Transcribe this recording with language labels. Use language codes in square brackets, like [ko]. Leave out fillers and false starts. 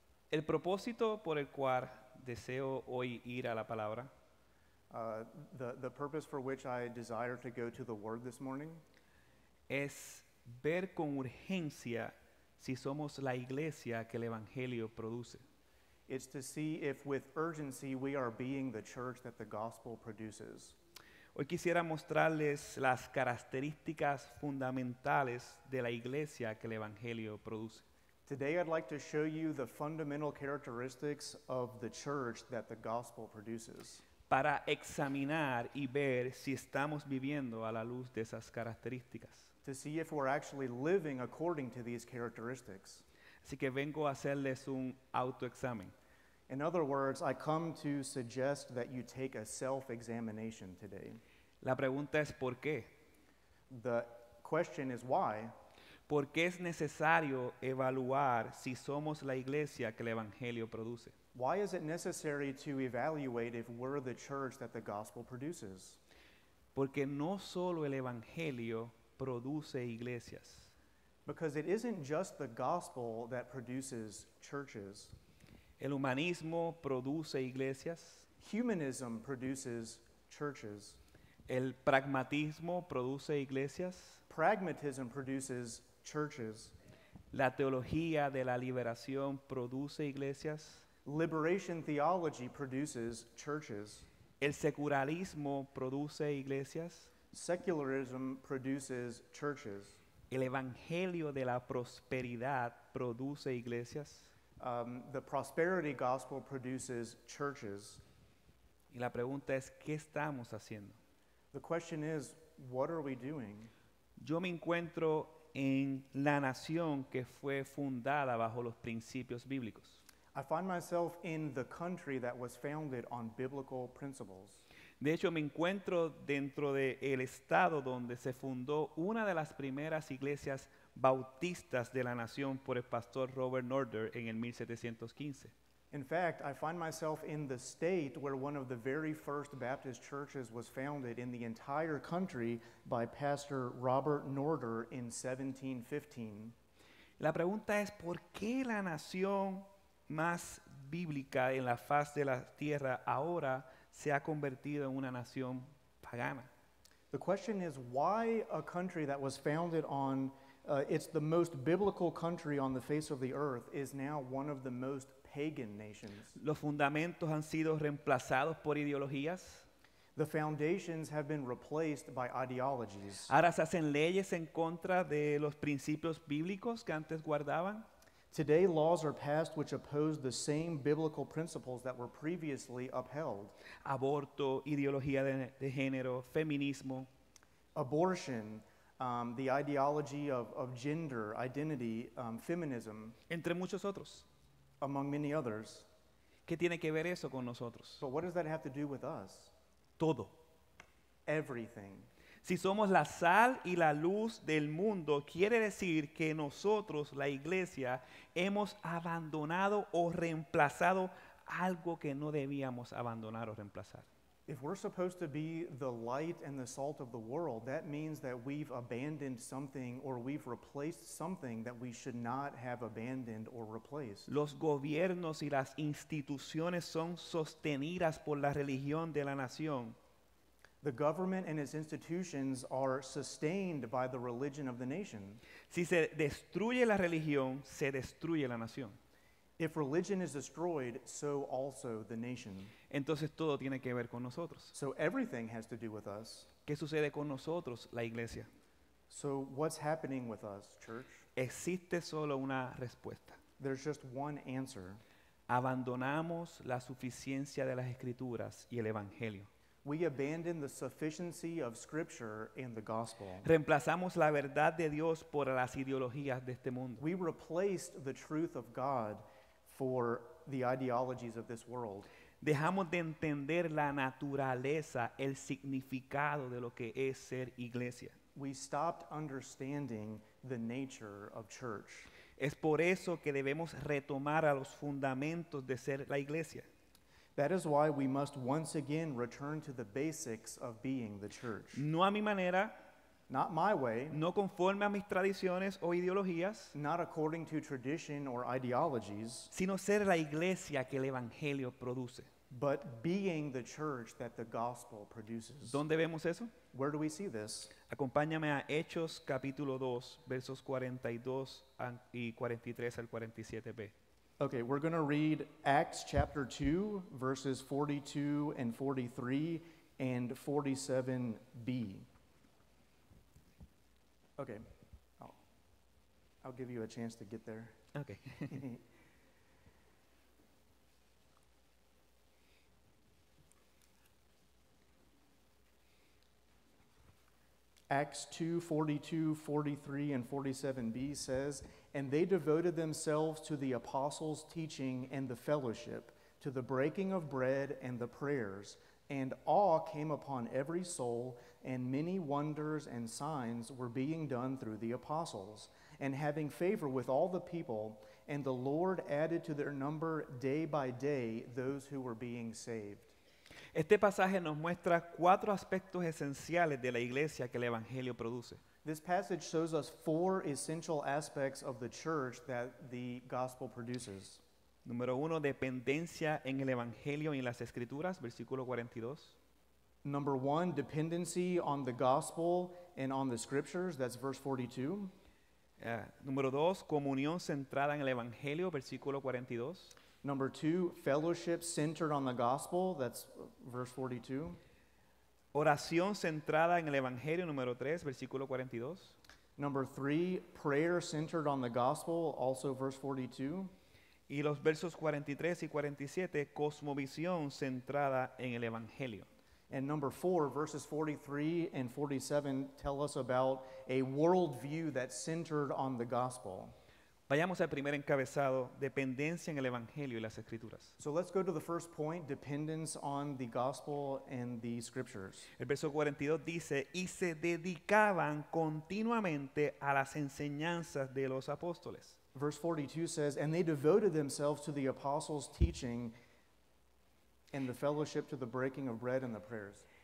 [es] El propósito por el cual deseo hoy ir a la palabra. [en] The purpose for which I desire to go to the word this morning. [es] Es ver con urgencia si somos la iglesia que el evangelio produce. [en] It's to see if with urgency we are being the church that the gospel produces. [es] Hoy quisiera mostrarles las características fundamentales de la iglesia que el evangelio produce. [en] Today I'd like to show you the fundamental characteristics of the church that the gospel produces. [es] Para examinar y ver si estamos viviendo a la luz de esas características. [en] To see if we're actually living according to these characteristics. [es] Así que vengo a hacerles un autoexamen. [en] In other words, I come to suggest that you take a self-examination today. [es] La pregunta es ¿por qué? [en] The question is why? [es] ¿Por qué es necesario evaluar si somos la iglesia que el evangelio produce? [en] Why is it necessary to evaluate if we're the church that the gospel produces? [es] Porque no solo el evangelio produce iglesias. [en] Because it isn't just the gospel that produces churches. [es] El humanismo produce iglesias. [en] Humanism produces churches. [es] El pragmatismo produce iglesias. [en] Pragmatism produces churches. [es] La teología de la liberación produce iglesias. [en] Liberation theology produces churches. [es] El secularismo produce iglesias. [en] Secularism produces churches. [es] El evangelio de la prosperidad produce iglesias. [en] The prosperity gospel produces churches. [es] Y la pregunta es, ¿qué estamos haciendo? [en] The question is, what are we doing? [es] Yo me encuentro en la nación que fue fundada bajo los principios bíblicos. [en] I find myself in the country that was founded on biblical principles. [es] De hecho, me encuentro dentro del estado donde se fundó una de las primeras iglesias bautistas de la nación por el pastor Robert Norder en el 1715. [en] In fact, I find myself in the state where one of the very first Baptist churches was founded in the entire country by Pastor Robert Norder in 1715. [es] La pregunta es, ¿por qué la nación más bíblica en la faz de la tierra ahora se ha convertido en una nación pagana? [en] The question is why a country that was founded on it's the most biblical country on the face of the earth is now one of the most pagan nations. [es] Los fundamentos han sido reemplazados por ideologías. [en] The foundations have been replaced by ideologies. [es] Ahora se hacen leyes en contra de los principios bíblicos que antes guardaban. [en] Today, laws are passed which oppose the same biblical principles that were previously upheld. [es] Aborto, ideología de género, feminismo. [en] Abortion, the ideology of gender, identity, feminism. [es] Entre muchos otros. [en] Among many others. [es] ¿Qué tiene que ver eso con nosotros? [en] But what does that have to do with us? [es] Todo. [en] Everything. [es] Si somos la sal y la luz del mundo, quiere decir que nosotros, la iglesia, hemos abandonado o reemplazado algo que no debíamos abandonar o reemplazar. [en] If we're supposed to be the light and the salt of the world, that means that we've abandoned something or we've replaced something that we should not have abandoned or replaced. [es] Los gobiernos y las instituciones son sostenidas por la religión de la nación. [en] The government and its institutions are sustained by the religion of the nation. [es] Si se destruye la religión, se destruye la nación. [en] If religion is destroyed, so also the nation. [es] Entonces todo tiene que ver con nosotros. [en] So everything has to do with us. [es] ¿Qué sucede con nosotros, la iglesia? [en] So what's happening with us, church? [es] Existe solo una respuesta. [en] There's just one answer. [es] Abandonamos la suficiencia de las escrituras y el evangelio. [en] We abandon the sufficiency of Scripture and the gospel. [es] Reemplazamos la verdad de Dios por las ideologías de este mundo. [en] We replaced the truth of God for the ideologies of this world. [es] Dejamos de entender la naturaleza, el significado de lo que es ser iglesia. [en] We stopped understanding the nature of church. [es] Es por eso que debemos retomar a los fundamentos de ser la iglesia. [en] That is why we must once again return to the basics of being the church. [es] No a mi manera. [en] Not my way. [es] No conforme a mis tradiciones o ideologías. [en] Not according to tradition or ideologies. [es] Sino ser la iglesia que el evangelio produce. [en] But being the church that the gospel produces. [es] ¿Dónde vemos eso? [en] Where do we see this? [es] Acompáñame a Hechos capítulo 2, versos 42 y 43 al 47b. [en] Okay, we're going to read Acts chapter 2, verses 42 and 43 and 47b. Okay, I'll give you a chance to get there. Okay. Acts 2, 42, 43, and 47b says, "And they devoted themselves to the apostles' teaching and the fellowship, to the breaking of bread and the prayers. And awe came upon every soul, and many wonders and signs were being done through the apostles. And having favor with all the people, and the Lord added to their number day by day those who were being saved." [es] Este pasaje nos muestra cuatro aspectos esenciales de la iglesia que el evangelio produce. [en] This passage shows us four essential aspects of the church that the gospel produces. [es] Número uno, dependencia en el evangelio y en las escrituras, versículo 42. [en] Number one, dependency on the gospel and on the scriptures, that's verse 42. [es] Número dos, comunión centrada en el evangelio, versículo 42. [en] Number two, fellowship centered on the gospel, that's verse 42. [es] Oración centrada en el evangelio, número 3, versículo 42. [en] Number three, prayer centered on the gospel, also verse 42. [es] Y los versos 43 y 47, cosmovisión centrada en el evangelio. [en] And number four, verses 43 and 47 tell us about a worldview that's centered on the gospel. [es] Vayamos al primer encabezado, dependencia en el evangelio y las escrituras. [en] So let's go to the first point, dependence on the gospel and the scriptures. [es] El verso 42 dice, y se dedicaban continuamente a las enseñanzas de los apóstoles. [en] Verse 42 says, and they devoted themselves to the apostles' teaching and the fellowship, to the breaking of bread and the prayers.